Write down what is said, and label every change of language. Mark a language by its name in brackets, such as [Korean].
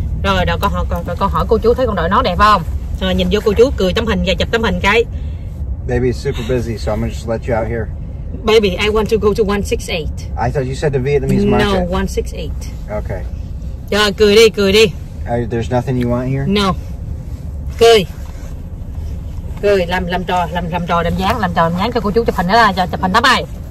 [Vietnamese] Rồi, đợi con hỏi cô chú thấy con đổi nón đẹp không? Nhìn vô cô chú cười tấm hình và chụp tấm hình cái. [English] Baby is super busy, so I'm gonna just let you out here. Baby, I want to go to 168. I thought you said the Vietnamese market. No, 168. Okay. [Vietnamese] Rồi, cười đi. [English] There's nothing you want here? No. [Vietnamese] Cười. Làm trò đem dáng cho cô chú chụp hình đó là cho chụp hình tấm ảnh.